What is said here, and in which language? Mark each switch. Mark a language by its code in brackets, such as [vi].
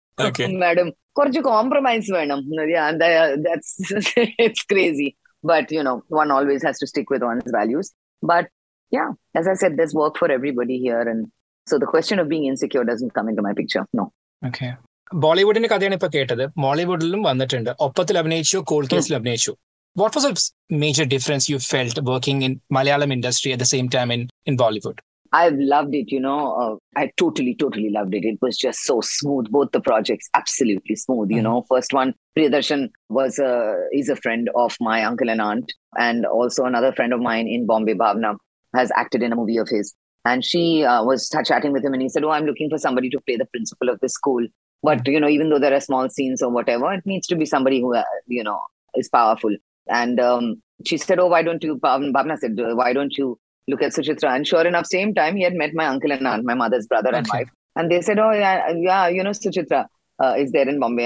[en] Okay. Madam, [ml] korchu compromise venam. [en] Yeah, that's, it's crazy. But, you know, one always has to stick with one's values. But, yeah, as I said, there's work for everybody here. And so the question of being insecure doesn't come into my picture. No. [ml] Okay. ബോളിവുഡിന്റെ കഥയാണ് ഇപ്പൊ കേട്ടത്. ബോളിവുഡിലും വന്നിട്ടുണ്ട്, ഒപ്പത്തിൽ അഭിനയിച്ചു, called കേസിൽ അഭിനയിച്ചു. [en] What was the major difference you felt working in Malayalam industry at the same time in Bollywood? I loved it, you know, I totally loved it. It was just so smooth, both the projects absolutely smooth. You know, first one, Priyadarshan was is a friend of my uncle and aunt, and also another friend of mine in Bombay, Bhavna has acted in a movie of his. And she was chatting with him and he said, oh, I'm looking for somebody to play the principal of the school. But, you know, even though there are small scenes or whatever, it needs to be somebody who, you know, is powerful. And she said, oh, why don't you, Bhavna said, why don't you look at Suchitra? And sure enough, same time, he had met my uncle and aunt, my mother's brother and wife. And they said, oh, yeah, you know, Suchitra is there in Bombay.